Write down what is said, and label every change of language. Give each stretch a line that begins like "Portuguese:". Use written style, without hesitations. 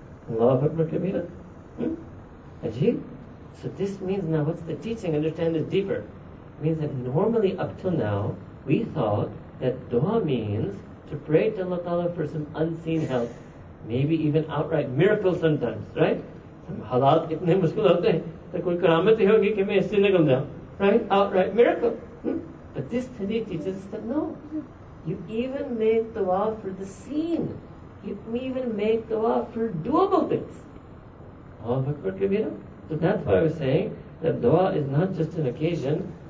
English: Allahu Akbar Kabira. Ajeeb. So this means now, what's the teaching? Understand this deeper. It means that normally up till now, we thought that dua means to pray to Allah Ta'ala for some unseen help. Maybe even outright miracles sometimes, right?
Urdu: Some حالات اتنے مشکل ہوتے ہیں that کوئی کرامت ہی ہوگی کہ میں اسے نکل جاؤں، right?
English: Outright miracle. But this hadith teaches us that no, you even make dua for the seen. You even make dua for doable things. Allahu Akbar Kabira. So that's why I was saying that dua is not just an occasion.